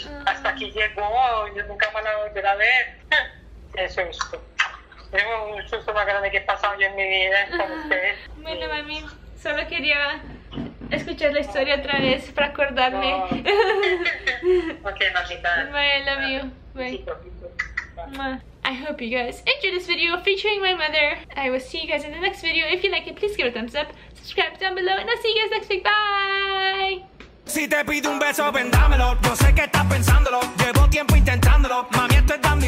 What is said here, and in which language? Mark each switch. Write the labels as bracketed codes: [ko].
[es] Hasta aquí llegó, yo nunca me la voy a volver a ver. Eso es esto. Tengo un susto más grande que he pasado yo en mi vida con usted. Bueno, mami. Solo quería escuchar la historia otra vez para acordarme. [en] Okay, mamita. Bye, I love you. Bye. I hope you guys enjoyed this video featuring my mother. I will see you guys in the next video. If you like it, please give it a thumbs up. Subscribe down below and I'll see you guys next week. [es] Bye! Si te pido un beso, vendámelo. Yo sé que estás pensándolo. Llevo tiempo intentándolo. Mami, esto es